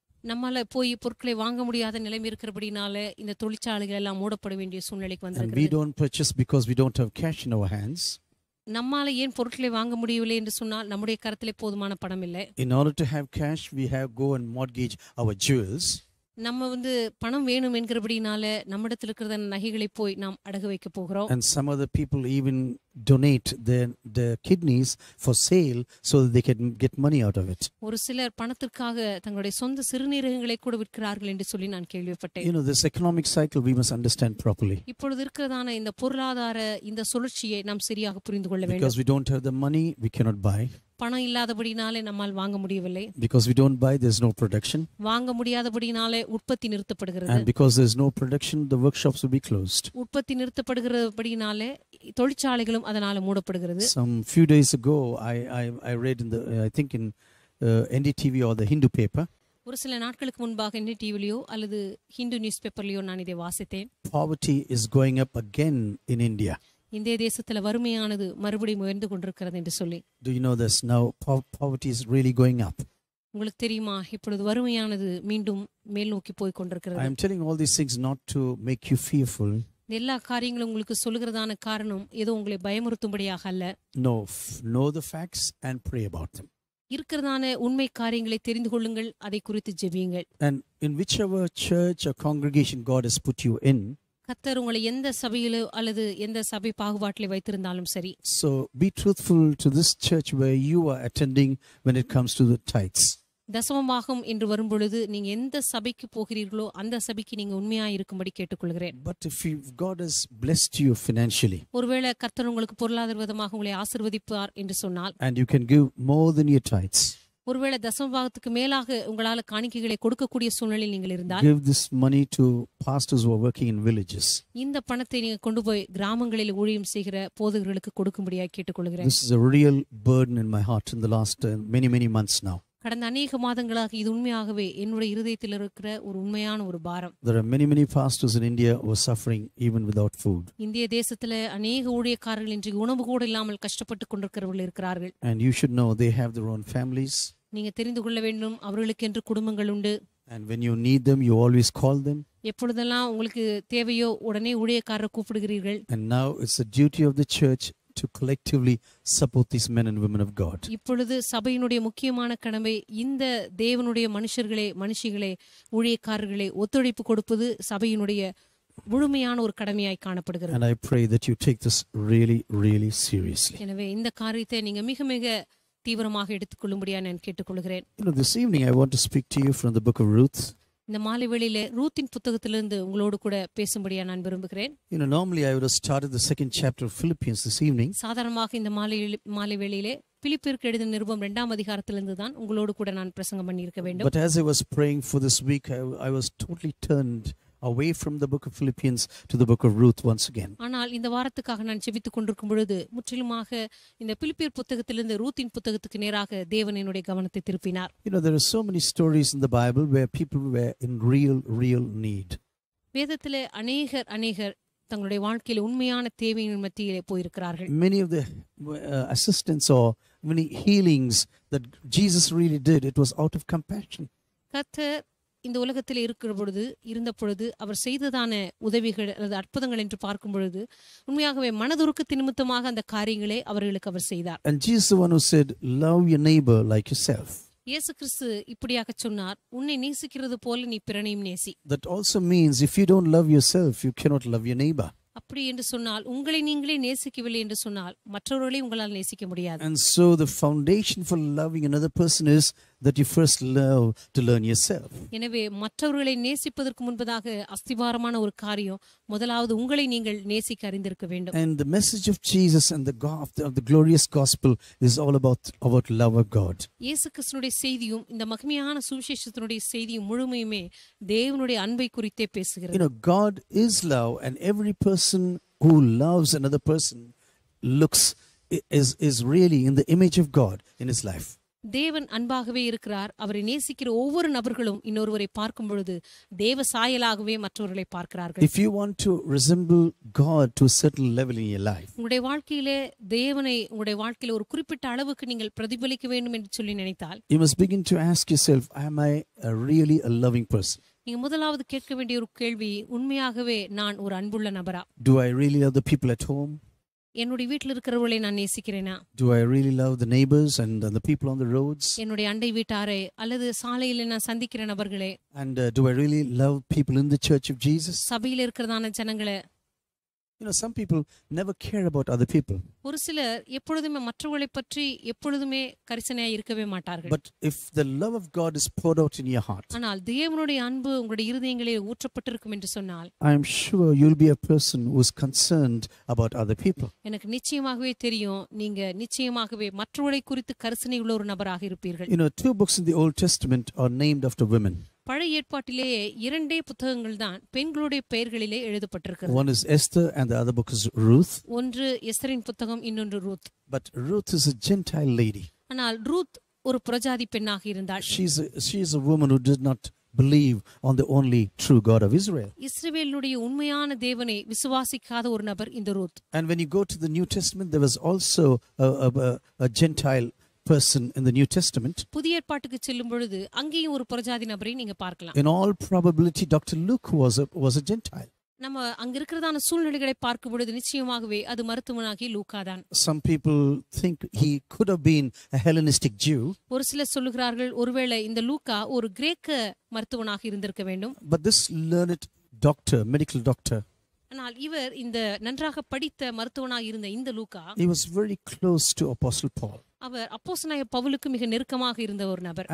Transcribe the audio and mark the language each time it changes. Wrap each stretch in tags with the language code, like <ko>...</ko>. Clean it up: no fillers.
<ta>நம்மால போய் பொருட்களை வாங்க முடியாத நிலைமை இருக்கிறபடினால இந்த தொழிற்சாலைகள் எல்லாம் மூடப்பட வேண்டிய சூழ்நிலைக்கு வந்திருக்கிறது.</ta> <en>And we don't purchase because we don't have cash in our hands.</en> <ta>நம்மால ஏன் பொருட்களை வாங்க முடியவில்லை என்று சொன்னால் நம்முடைய கரத்திலே போதுமான பணம் இல்லை.</ta> <en>In order to have cash we have go and mortgage our jewels.</en> <ta>நம்ம வந்து பணம் வேணும் என்கிறபடியால நம்மிடத்தில் இருக்கிற நகைகளை போய் நாம் அடகு வைக்க போகிறோம்.</ta> <en>And some other people even donate their kidneys for sale so that they can get money out of it.</en> <ta>ஒரு சிலர் பணத்துக்காக தங்களுடைய சொந்த சிறுநீரகங்களை கூட விற்கிறார்கள் என்று சொல்லி நான் கேள்விப்பட்டேன்.</ta> <en>You know this economic cycle we must understand properly.</en> <ta>இப்பொழுது இருக்கிறதான இந்த பொருளாதார இந்த சுழற்சியை நாம் சரியாக புரிந்துகொள்ள வேண்டும்.</ta> <en>Because we don't have the money we cannot buy.</en> <ta>பணம் இல்லாதபடினாலே நம்மால் வாங்க முடியவில்லை.</ta> <en>Because we don't buy there's no production.</en> <ta>வாங்க முடியாதபடினாலே உற்பத்தி நிறுத்தப்படுகிறது.</ta> <en>And because there's no production the workshops will be closed.</en> <ta>உற்பத்தி நிறுத்தப்படுகிறபடினாலே தொழிற்சாலைகளும் அதனால மூடப்படுகிறது.</ta> <en>Some few days ago I read in the I think in NDTV or the Hindu paper.</en> <ta>ஒரு சில நாட்களுக்கு முன்பாக NDTVலயோ அல்லது Hindu newspaperலயோ நான் இதை வாசித்தேன்.</ta> <en>Poverty is going up again in India.</en> <ta>இந்திய தேசத்தில் வறுமையானது மறுபடியும் உயர்ந்து கொண்டிருக்கிறது என்று சொல்லி</ta> <en>Do you know this now poverty is really going up</en> <ta>உங்களுக்கு தெரியுமா இப்பொழுது வறுமையானது மீண்டும் மேல் நோக்கி போய் கொண்டிருக்கிறது</ta> <en>I am telling all these things not to make you fearful</en> <ta>எல்லா காரியங்களும் உங்களுக்கு சொல்லுகிறதான காரணம் ஏதோ உங்களை பயமுறுத்தும்படியாக அல்ல</ta> <en>No know the facts and pray about them</en> <ta>இருக்கிறதான உண்மை காரியங்களை தெரிந்து கொள்ளுங்கள் அதை குறித்து ஜெபியுங்கள்</ta> <en>And in whichever church or congregation God has put you in</en> <ta>கர்த்தர் உங்களை எந்த சபையில அல்லது எந்த சபை பாகுபாட்டில் வைத்திருந்தாலும் சரி</ta> <en>So be truthful to this church where you are attending when it comes to the tithes</en> <ta>தசமமாகம் என்று வரும் பொழுது நீங்க எந்த சபைக்கு போகிறீர்களோ அந்த சபைக்கு நீங்க உண்மையாக இருக்கும்படி கேட்டுக்கொள்கிறேன்</ta> <en>But if God has blessed you financially</en> <ta>ஒருவேளை கர்த்தர் உங்களுக்கு பொருளாதார விதமாக உங்களை ஆசீர்வதிப்பார் என்று சொன்னால்</ta> <en>And you can give more than your tithes</en> <ta>ஒருவேளை தசமபாகத்துக்கு மேலாக உங்களால் காணிக்கைகளை கொடுக்கக்கூடிய சூழ்நிலையில் நீங்கள் இருந்தால்</ta> <en>Give this money to pastors who are working in villages.</en> <ta>இந்த பணத்தை நீங்க கொண்டு போய் கிராமங்களில் ஊழியம் செய்கிற போதகர்களுக்கு கொடுக்கும்படியாக கேட்டுக்கொள்கிறேன்.</ta> <en>This is a real burden in my heart in the last many many months now.</en> <ta>கடந்த அநேக மாதங்களாக இது உண்மையாகவே என்னுடைய இருதயத்தில் இருக்கிற ஒரு உண்மையான ஒரு பாரம்.</ta> <en>There are many many pastors in India who are suffering even without food.</en> <ta>இந்திய தேசத்தில் அநேக ஊழியக்காரர்கள் இன்று உணவு கூட இல்லாமல் கஷ்டப்பட்டு கொண்டிருக்கிறவர்கள் இருக்கிறார்கள்.</ta> <en>And you should know they have their own families.</en> <ta>நீங்க தெரிந்து கொள்ள வேண்டும் அவர்களுக்கு என்று குடும்பங்கள் உண்டு.</ta> <en>And when you need them you always call them.</en> <ta>எப்பொழுதெல்லாம் உங்களுக்கு தேவையோ உடனே ஊழியக்காரர் கூப்பிடுகிறீர்கள்.</ta> <en>And now it's the duty of the church to collectively support these men and women of God.</en> <ta>இப்பொழுது சபையினுடைய முக்கியமான கடமை இந்த தேவனுடைய மனுஷர்களே மனுஷிகளே ஊழியக்காரர்களே ஒத்துழைப்பு கொடுப்பது சபையினுடைய முழுமையான ஒரு கடமையாய் காணப்படுகிறது.</ta> <en>And I pray that you take this really really seriously.</en> <ta>எனவே இந்த காரியத்தை நீங்க மிக மிக தீவிரமாக எடுத்துக்கொள்ளும்படியா நான் கேட்டுக்கொள்கிறேன்.</ta> <en>You know, this evening I want to speak to you from the book of Ruth.</en> <ta>இந்த மாலை வேளையிலே ரூத்தின் புத்தகத்திலிருந்து உங்களோடு கூட பேசும்படியா நான் விரும்புகிறேன்.</ta> <en>You know, normally I would have started the second chapter of Philippians this evening.</en> <ta>சாதாரணமாக இந்த மாலை வேளையிலே பிலிப்பியருக்கு எழுதின நிருபம் இரண்டாம் அதிகாரத்திலிருந்து தான் உங்களோடு கூட நான் பிரசங்கம் பண்ணியிருக்க வேண்டும்.</ta> <en>But as I was praying for this week, I was totally turned away from the book of Philippians to the book of Ruth once again.</en> <ta>ஆனால் இந்த வாரத்துக்காக நான் ஜெபித்துக் கொண்டிருக்கும் பொழுது முற்றிலுமாக இந்த பிலிப்பியர் புத்தகத்திலிருந்து ரூத்தின் புத்தகத்துக்கு நேராக தேவன் என்னுடைய கவனத்தை திருப்பினார்.</ta> <en>You know, there are so many stories in the Bible where people were in real real need.</en> <ta>வேதத்திலே அநேகர் அநேகர் தங்களுடைய வாழ்க்கையில் உண்மையான தேவையின் மத்தியிலே போய் இருக்கிறார்கள்.</ta> <en>Many of the assistants or many healings that Jesus really did, it was out of compassion.</en> <ta>கர்த்தர் இந்த உலகத்தில் இருக்கிற பொழுது இருந்த பொழுது அவர் செய்ததான உதவிகள் அல்லது அற்புதங்கள் என்று பார்க்கும் பொழுது உண்மையாகவே மனதுருக்கத்தின் நிமித்தமாக அந்த காரியங்களை அவர்களுக்கு அவர் செய்தார்.</ta> <en>And Jesus the one who said love your neighbor like yourself.</en> <ta>இயேசு கிறிஸ்து இப்படியாக சொன்னார் உன்னை நேசிக்கிறது போல நீ பிறனையும் நேசி.</ta> <en>That also means if you don't love yourself you cannot love your neighbor.</en> <ta>அப்படி என்று சொன்னால் உங்களை நீங்களே நேசிக்கவில்லை என்று சொன்னால் மற்றவர்களை உங்களால் நேசிக்க முடியாது.</ta> <en>And so the foundation for loving another person is that you first love to learn yourself.</en> <ta>எனவே மற்றவர்களை நேசிப்பதற்கு முன்பதாக அஸ்திவாரமான ஒரு காரியம் முதலாவது உங்களை நீங்கள் நேசிக்க அறிந்திருக்க வேண்டும்.</ta> <en>And the message of Jesus and the glorious gospel is all about love of God.</en> <ta>இயேசு கிறிஸ்துவின் செய்தியும் இந்த மகிமையான சுவிசேஷத்தினுடைய செய்தியும் முழுமையுமே தேவனுடைய அன்பை குறித்தே பேசுகிறது.</ta> <en>You know, God is love and every person who loves another person looks is really in the image of God in his life.</en> <ta>தேவன் அன்பாகவே இருக்கிறார் அவரை நேசிக்கிற ஒவ்வொரு நபர்களும் இன்னொருவரை பார்க்கும் பொழுது தேவ சாயலாகவே மற்றவர்களை பார்க்கிறார்கள்.</ta> <en>If you want to resemble God to a certain level in your life.</en> <ta>உங்களுடைய வாழ்க்கையிலே தேவனை உங்களுடைய வாழ்க்கையிலே ஒரு குறிப்பிட்ட அளவுக்கு நீங்கள் பிரதிபலிக்க வேண்டும் என்று சொல்லி நினைத்தால்</ta> <en>you must begin to ask yourself am I really a loving person?</en> <ta>நீங்க முதலாவது கேட்க வேண்டிய ஒரு கேள்வி உண்மையாகவே நான் ஒரு அன்புள்ள நபரா?</ta> <en>Do I really love the people at home?</en> <ta>என்னுடைய வீட்டில் இருக்கிறவர்களை நான் நேசிக்கிறேனா?</ta> <en>Do I really love the neighbors and the people on the roads?</en> <ta>என்னுடைய அண்டை வீட்டாரே அல்லது சாலையில் நான் சந்திக்கிற நபர்களே?</ta> <en>And do I really love people in the church of Jesus?</en> <ta>சபையில் இருக்கிறதான ஜனங்களே?</ta> <en>You know, some people never care about other people.</en> <ta>ஒரு சிலர் எப்பொழுதுமே மற்றவர்களை பற்றி எப்பொழுதுமே கரிசனையாக இருக்கவே மாட்டார்கள்.</ta> <en>But if the love of God is poured out in your heart,</en> <ta>ஆனால் தேவனுடைய அன்பு உங்களுடைய இருதயங்களில் ஊற்றப்பட்டிருக்கும் என்று சொன்னால்,</ta> <en>I am sure you'll be a person who is concerned about other people.</en> <ta>எனக்கு நிச்சயமாகவே தெரியும் நீங்க நிச்சயமாகவே மற்றவர்களை குறித்து கரிசனை உள்ள ஒரு நபராக இருப்பீர்கள்.</ta> <en>You know, two books in the Old Testament are named after women.</en> <ta>பழைய ஏற்பாட்டிலேயே இரண்டே புத்தகங்கள் தான் பெண்களுடைய பெயர்களிலே எழுதப்பட்டிருக்கிறது.</ta> <en>One is Esther and the other book is Ruth.</en> <ta>ஒன்று எஸ்தரின் புத்தகம் இன்னொன்று Ruth.</ta> <en>But Ruth is a Gentile lady.</en> <ta>ஆனால் ரூத் ஒரு புரஜாதி பெண்ணாக இருந்தாள்.</ta> <en>She is a woman who did not believe on the only true God of Israel.</en> <ta>இஸ்ரவேலுடைய உண்மையான தேவனை விசுவாசிக்காத ஒரு நபர் இந்த Ruth.</ta> <en>And when you go to the New Testament there was also a Gentile person in the New Testament.</en> <ta>புதிய ஏற்பாட்டுக்கு செல்லும் பொழுது அங்கேயும் ஒரு புரஜாதி நபரை நீங்க பார்க்கலாம்.</ta> <en>In all probability Dr. Luke was a Gentile.</en> <ta>நம்ம அங்க இருக்கிறதான சூழ்நிலைகளை பார்க்கும் பொழுது நிச்சயமாகவே அது மருத்துவனாகிய லூக்கா தான்.</ta> <en>Some people think he could have been a Hellenistic Jew.</en> <ta>ஒரு சிலர் சொல்கிறார்கள் ஒருவேளை இந்த லூக்கா ஒரு கிரேக்க மருத்துவனாக இருந்திருக்க வேண்டும்.</ta> <en>But this learned doctor, medical doctor,</en> <ta>ஆனால் இவர் இந்த நன்றாக படித்த மருத்துவனாக இருந்த இந்த லூக்கா,</ta> <en>he was very close to Apostle Paul.</en> <ta>அவர் அப்போஸ்தலனாகிய பவுலுக்கு மிக நெருக்கமாக இருந்த ஒரு நபர்.</ta>